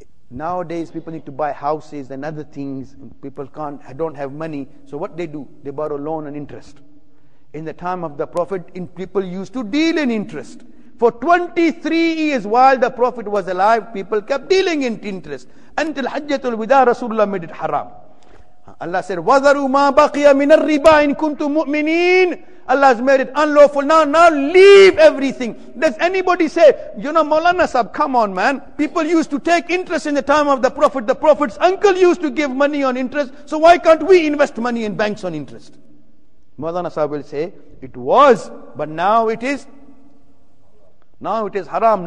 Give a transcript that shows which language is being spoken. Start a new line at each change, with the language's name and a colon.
English: Nowadays people need to buy houses and other things. And people can't, don't have money. So what they do? They borrow loan and interest. In the time of the Prophet, people used to deal in interest. For 23 years while the Prophet was alive, people kept dealing in interest. Until Hajjatul Wida, Rasulullah made it haram. Allah said,
Arabic: وَذَرُوا مَا بَقِيَ مِنَ الرِّبَا إِن كُنْتُ مُؤْمِنِينَ.
English: Allah has made it unlawful. Now leave everything. Does anybody say, you know, Maulana Sahib, come on, man. People used to take interest in the time of the Prophet. The Prophet's uncle used to give money on interest. So why can't we invest money in banks on interest? Maulana Sahib will say, it was, but now it is. Now it is haram.